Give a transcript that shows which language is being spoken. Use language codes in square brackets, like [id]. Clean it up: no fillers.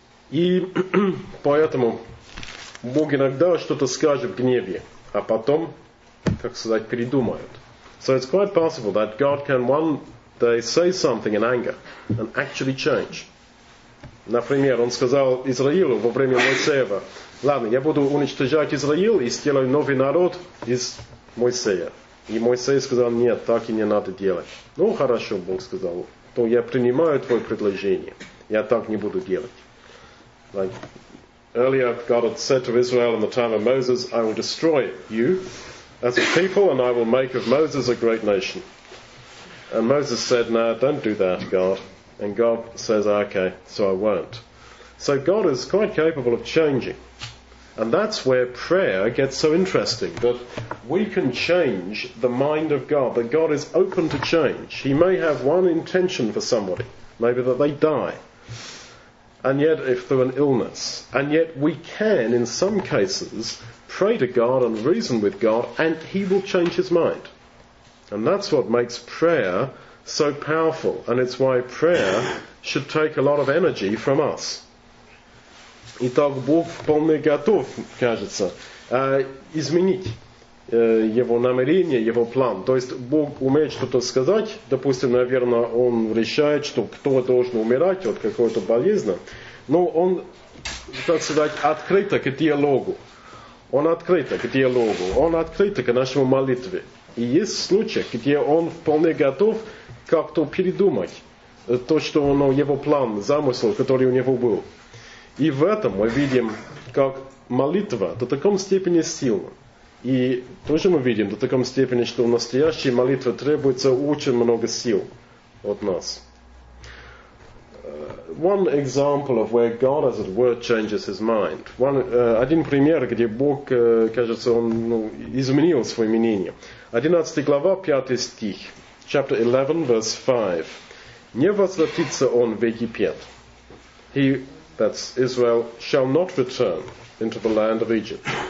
[ru] И поэтому Бог иногда что-то скажет в гневе, а потом, как сказать, передумает. [en] So it's quite possible that God can one day say something in anger and actually change. [ru] Например, он сказал Израилю во время Моисеева, ладно, я буду уничтожать Израиль и сделаю новый народ из Моисея. И Моисей сказал, нет, так и не надо делать. Ну, хорошо, Бог сказал, то я принимаю твое предложение, я так не буду делать. [en] Like, earlier God had said to Israel in the time of Moses, I will destroy you as a people and I will make of Moses a great nation. And Moses said, no, don't do that, God. And God says, okay, so I won't. So God is quite capable of changing. And that's where prayer gets so interesting, that we can change the mind of God, that God is open to change. He may have one intention for somebody, maybe that they die. And yet, if through an illness, and yet we can, in some cases, pray to God and reason with God, and he will change his mind. And that's what makes prayer so powerful, and it's why prayer should take a lot of energy from us. [ru] Итак, Бог вполне готов, кажется, изменить его намерение, его план. То есть Бог умеет что-то сказать. Допустим, наверное, он решает, что кто должен умирать от какой-то болезни. Но он, так сказать, открыт к диалогу. Он открыт к диалогу. Он открыт к нашему молитве. И есть случаи, где он вполне готов как-то передумать то, что он, его план, замысел, который у него был. И в этом мы видим, как молитва до такой степени сильна. И тоже мы видим до такой степени, что настоящая молитва требуется очень много сил от нас. [en] One example of where God, as it were, changes his mind. [ru] Один пример, где Бог, кажется, он, ну, изменил свое мнение. 11 глава, 5 стих. [en] Chapter 11, verse 5. [ru] Не возвратится он в Египет. [en] That's Israel, shall not return into the land of Egypt.